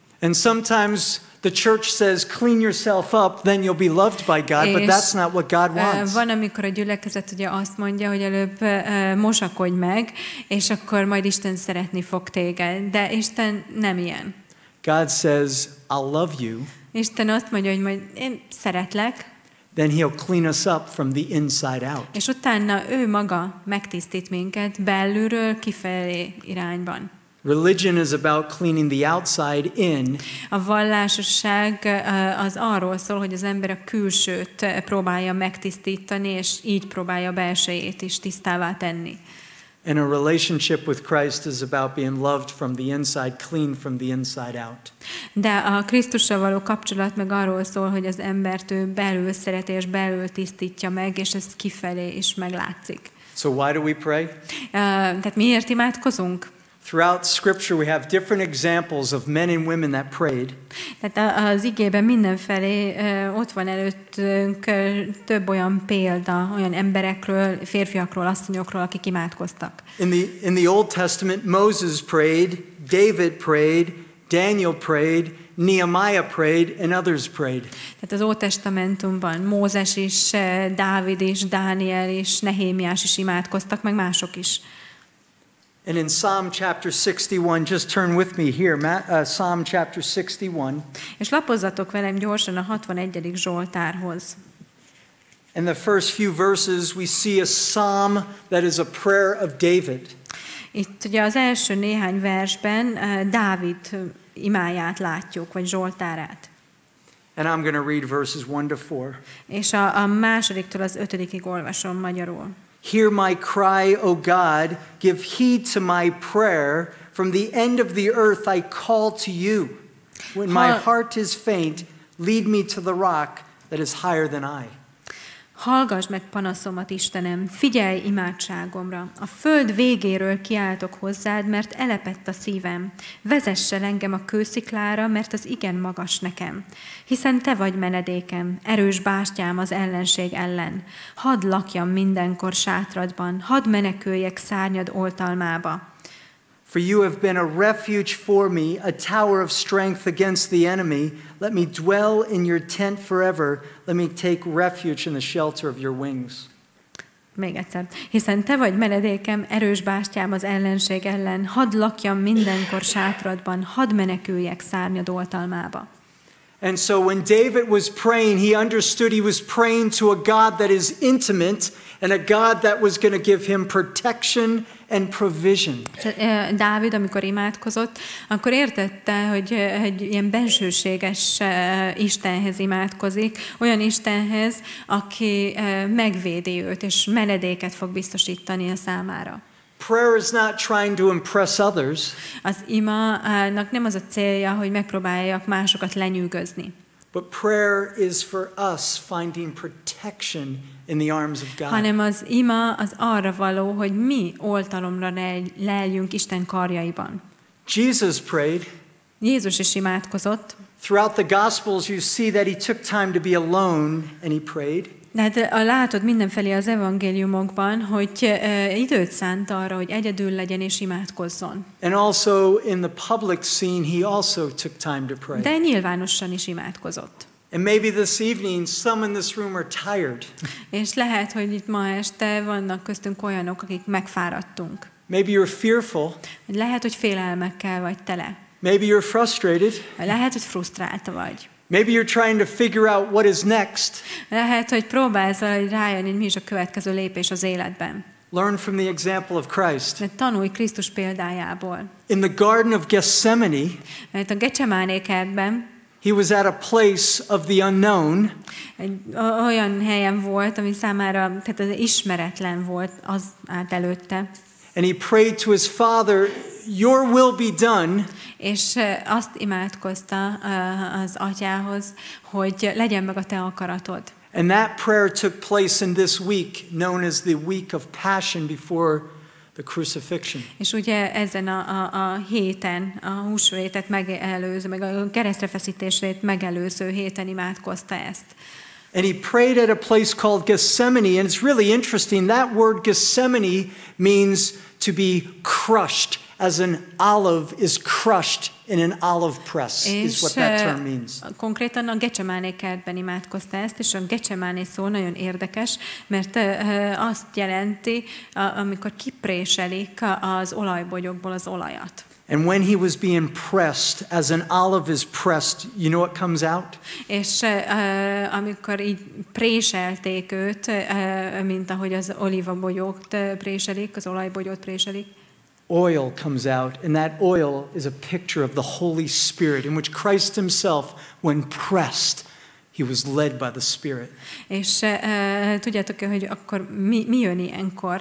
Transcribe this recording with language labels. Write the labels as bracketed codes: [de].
[en] And sometimes the church says, "Clean yourself up, then you'll be loved by God." But that's not what God wants. [hu] Van, amikor a gyülekezet ugye azt mondja, hogy előbb mosakodj meg, és akkor majd Isten szeretni fog téged. De Isten nem ilyen. [en] God says, "I'll love you." [hu] Isten azt mondja, hogy majd én szeretlek. [en] Then he'll clean us up from the inside out. [hu] És utána ő maga megtisztít minket belülről kifelé irányban. [en] Religion is about cleaning the outside in. [hu] A vallásosság az arról szól, hogy az ember a külsőt próbálja megtisztítani, és így próbálja a belsejét is tisztává tenni. [en] And a relationship with Christ is about being loved from the inside, clean from the inside out. [hu] De a Krisztussal való kapcsolat meg arról szól, hogy az embert ő belül szereti és belül tisztítja meg, és ez kifelé is meglátszik. [en] So why do we pray? [hu] Tehát miért imádkozunk? [en] Throughout scripture we have different examples of men and women that prayed. [hu] Tehát az igében mindenfelé ott van előttünk több olyan példa, olyan emberekről, férfiakról, asszonyokról, akik imádkoztak. [en] In the Old Testament Moses prayed, David prayed, Daniel prayed, Nehemiah prayed and others prayed. [hu] Tehát az Ótestamentumban Mózes is, Dávid is, Dániel is, Nehémiás is imádkoztak, meg mások is. [en] And in Psalm chapter 61, just turn with me here, Psalm chapter 61. [hu] És lapozzatok velem gyorsan a 61. Zsoltárhoz. [en] In the first few verses, we see a psalm that is a prayer of David. [hu] Itt ugye az első néhány versben Dávid imáját látjuk, vagy Zsoltárát. [en] And I'm going to read verses 1 to 4. [hu] És a másodiktól az ötödikig olvasom magyarul. [en] Hear my cry, O God, give heed to my prayer. From the end of the earth I call to you. When my heart is faint, lead me to the rock that is higher than I. [hu] Hallgass meg panaszomat, Istenem, figyelj imádságomra. A föld végéről kiáltok hozzád, mert elepett a szívem. Vezessel engem a kősziklára, mert az igen magas nekem. Hiszen te vagy menedékem, erős bástyám az ellenség ellen. Hadd lakjam mindenkor sátradban, hadd meneküljek szárnyad oltalmába. [en] For you have been a refuge for me, a tower of strength against the enemy. Let me dwell in your tent forever. Let me take refuge in the shelter of your wings. [hu] Még egyszer. Hiszen te vagy menedékem, erős bástyám az ellenség ellen. Hadd lakjam mindenkor sátradban, hadd meneküljek szárnyad oltalmába. [en] And so when David was praying, he understood he was praying to a God that is intimate and a God that was going to give him protection and provision. [hu] Dávid, amikor imádkozott, akkor értette, hogy egy ilyen bensőséges Istenhez imádkozik, olyan Istenhez, aki megvédi őt és menedéket fog biztosítani a számára. [en] Prayer is not trying to impress others. [hu] Az imának nem az a célja, hogy megpróbáljak másokat lenyűgözni. [en] But prayer is for us finding protection in the arms of God. [hu] Hanem az ima az arra való, hogy mi oltalomra leeljünk Isten karjaiban. [en] Jesus prayed. [hu] Jézus is imádkozott. [en] Throughout the Gospels you see that he took time to be alone and he prayed. [hu] Hát látod mindenfelé az evangéliumokban, hogy időt szánt arra, hogy egyedül legyen és imádkozzon. [en] And also in the public scene he also took time to pray. [hu] De nyilvánosan is imádkozott. [en] And maybe this evening some in this room are tired. [hu] És lehet, hogy itt ma este vannak köztünk olyanok, akik megfáradtunk. [en] Maybe you're fearful. [hu] Lehet, hogy félelmekkel vagy tele. [en] Maybe you're frustrated. [hu] Lehet, hogy frusztrált vagy. [en] Maybe you're trying to figure out what is next. [hu] Lehet, hogy próbálsz valahogy rájönni, mi is a következő lépés az életben. [en] Learn from the example of Christ. [hu] De tanulj Krisztus példájából. [en] In the Garden of Gethsemane. [hu] Mert a Getsemáné kertben. [en] He was at a place of the unknown. [hu] Olyan helyen volt, ami számára, tehát az ismeretlen volt az át előtte. [en] And he prayed to his father, "Your will be done." [hu] És azt imádkozta az atyához, hogy legyen meg a te akaratod. [en] And that prayer took place in this week, known as the week of passion before the crucifixion. [hu] És ugye ezen a héten, a húsvétet megelőző, meg a keresztrefeszítését megelőző héten imádkozta ezt. [en] And he prayed at a place called Gethsemane, and it's really interesting. That word Gethsemane means to be crushed, as an olive is crushed in an olive press, is what that term means. [hu] Konkrétan a Getsemáné kertben imádkozta ezt, és a Getsemáné szó nagyon érdekes, mert azt jelenti, amikor kipréselik az olajbogyókból az olajat. [en] And when he was being pressed, as an olive is pressed, you know what comes out? [hu] És amikor így préselték őt, mint ahogy az olívabogyót préselik, az olajbogyót préselik. [en] Oil comes out, and that oil is a picture of the Holy Spirit, in which Christ himself, when pressed, he was led by the Spirit. [hu] És tudjátok-e, hogy akkor mi jön ilyenkor?